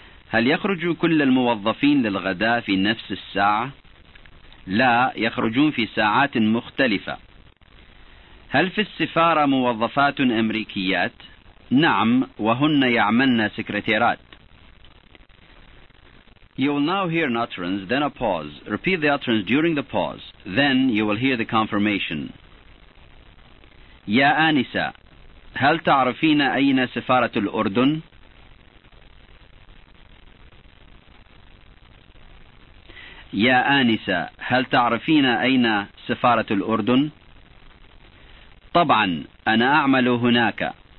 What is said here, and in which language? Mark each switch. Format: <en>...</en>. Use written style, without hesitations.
<ar>هل يخرج كل الموظفين للغداء في نفس الساعة؟ لا، يخرجون في ساعات مختلفة. هل في السفارة موظفات أمريكيات؟ نعم، وهن يعملن سكرتيرات.</ar> <en>You will now hear an utterance, then a pause. Repeat the utterance during the pause. Then you will hear the confirmation.</en> <ar>يا آنسة, هل تعرفين أين سفارة الأردن؟ يا آنسة, هل تعرفين أين سفارة الأردن؟ طبعا أنا أعمل هناك.</ar>